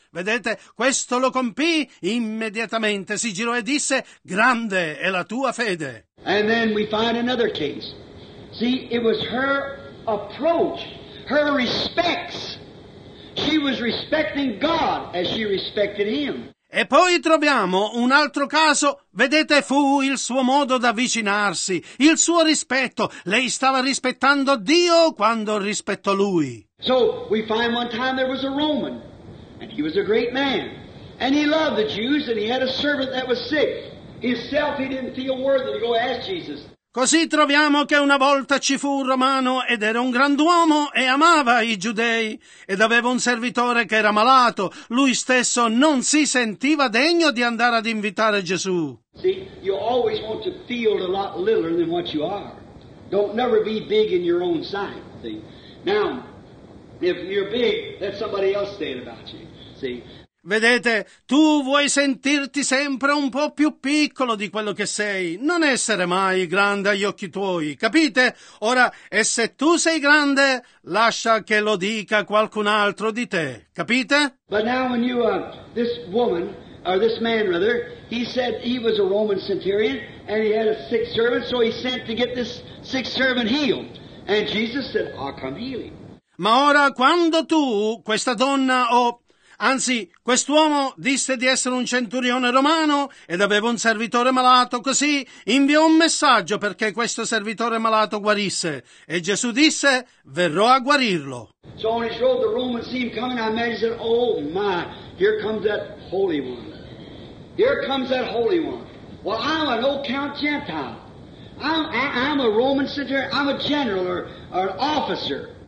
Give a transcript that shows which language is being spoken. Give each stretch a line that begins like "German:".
Italian: Vedete, questo lo compì immediatamente, si girò e disse, grande è la tua fede.
English: And then we find another case. See, it was her approach, her respects. She was respecting God as she respected him.
Italian: E poi troviamo un altro caso, vedete, fu il suo modo d'avvicinarsi, il suo rispetto. Lei stava rispettando Dio quando rispettò lui.
English: So we find one time there was a Roman, and he was a great man, and he loved the Jews, and he had a servant that was sick. Himself he didn't feel worthy to go ask Jesus.
Italian: Così troviamo che una volta ci fu un romano ed era un grand'uomo e amava i giudei ed aveva un servitore che era malato. Lui stesso non si sentiva degno di andare ad invitare Gesù.
English: See, you always want to feel a lot littler than what you are. Don't never be big in your own sight. See? Now, if you're big, let somebody else stand about you. See?
Italian: Vedete, tu vuoi sentirti sempre un po' più piccolo di quello che sei. Non essere mai grande agli occhi tuoi, capite? Ora, e se tu sei grande, lascia che lo dica qualcun altro di te, capite?
English: But now when you, this woman, or this man rather, he said he was a Roman centurion, and he had a sick servant, so he sent to get this sick servant healed. And Jesus said, I'll come heal him.
Italian: Ma ora, quando tu, questa donna, o... Anzi, quest'uomo disse di essere un centurione romano ed aveva un servitore malato, così inviò un messaggio perché questo servitore malato guarisse. E Gesù disse, verrò a guarirlo.
English: So on his road, the Romans see him coming, I imagine, oh my, here comes that Holy One. Here comes that Holy One. Well, I'm an old count Gentile. I'm a Roman centurion, I'm a general or an officer.